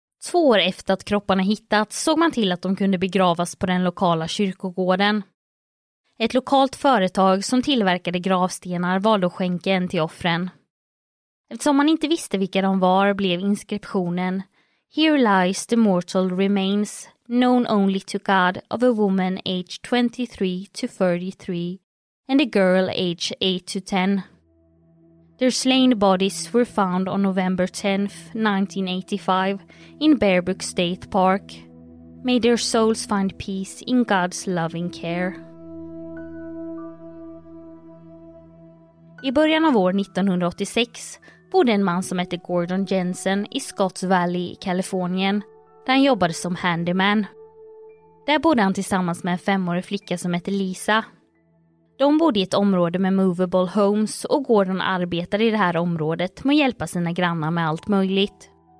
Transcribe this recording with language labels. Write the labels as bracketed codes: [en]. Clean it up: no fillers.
[sv] 2 år efter att kropparna hittats såg man till att de kunde begravas på den lokala kyrkogården. Ett lokalt företag som tillverkade gravstenar valde att skänka en till offren. Eftersom man inte visste vilka de var blev inskriptionen [en] Here lies the mortal remains, known only to God, of a woman aged 23 to 33 and a girl aged 8 to 10. Their slain bodies were found on November 10, 1985 in Bear Brook State Park. May their souls find peace in God's loving care. [sv] I början av år 1986 bodde en man som hette Gordon Jensen i Scotts Valley i Kalifornien, där han jobbade som handyman. Där bodde han tillsammans med en femårig flicka som hette Lisa. De bodde i ett område med movable homes och Gordon arbetade i det här området med att hjälpa sina grannar med allt möjligt.